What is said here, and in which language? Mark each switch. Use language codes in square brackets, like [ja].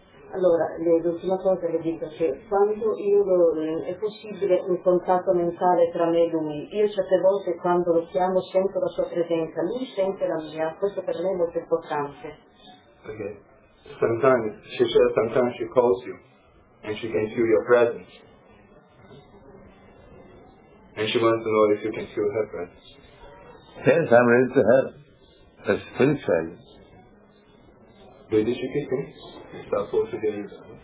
[it] Allora, l'ultima cosa che dico è che quando io è possibile un contatto mentale tra me e lui, io certe volte quando lo chiamo sento la sua presenza, lui sente la mia, questo per me è molto importante. [en] Ok, sometimes she calls you and she can feel your presence and she wants to know if you can feel her presence. Yes, I'm ready to help. That's spiritual. [it] Lui dice che sì, sta forse di aiuto.